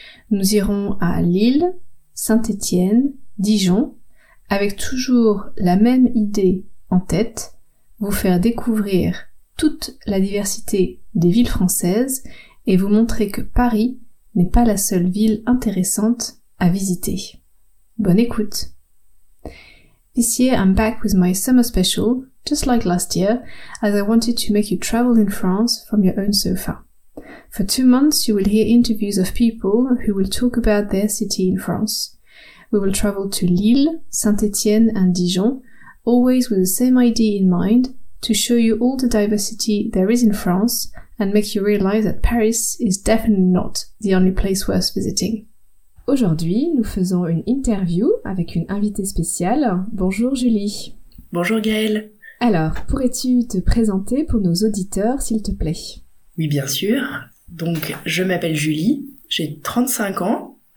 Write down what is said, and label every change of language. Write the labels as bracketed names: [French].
[French] Nous irons à Lille, Saint-Étienne, Dijon, avec toujours la même idée en tête, vous faire découvrir toute la diversité des villes françaises et vous montrer que Paris n'est pas la seule ville intéressante à visiter. Bonne écoute! [English] This year I'm back with my summer special, just like last year, as I wanted to make you travel in France from your own sofa. For 2 months you will hear interviews of people who will talk about their city in France. We will travel to Lille, Saint-Étienne and Dijon, always with the same idea in mind, to show you all the diversity there is in France and make you realize that Paris is definitely not the only place worth visiting. [French] Aujourd'hui, nous faisons une interview avec une invitée spéciale. Bonjour Julie. Bonjour Gaëlle. Alors, pourrais-tu te présenter pour nos auditeurs, s'il te plaît? Oui, bien sûr. Donc, je m'appelle Julie, j'ai 35 ans.